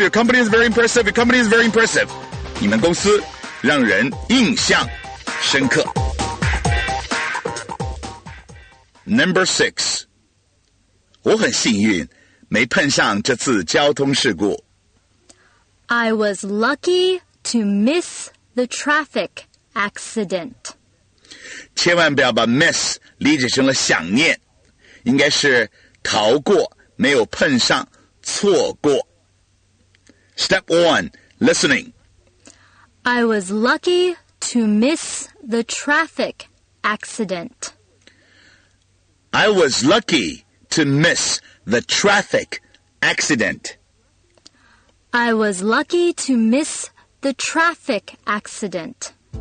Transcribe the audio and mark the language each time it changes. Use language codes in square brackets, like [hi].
[en] Your company is very impressive. Your company is very impressive. [zh] 你们公司让人印象深刻。 [en] Number 6. [zh] 我很幸运没碰上这次交通事故。 [en] I was lucky to miss the traffic accident. [zh] 千万不要把 miss 理解成了想念，应该是逃过，没有碰上，错过。 [en] Step 1. Listening. I was lucky to miss the traffic accident. I was lucky to miss the traffic accident. I was lucky to miss the traffic accident.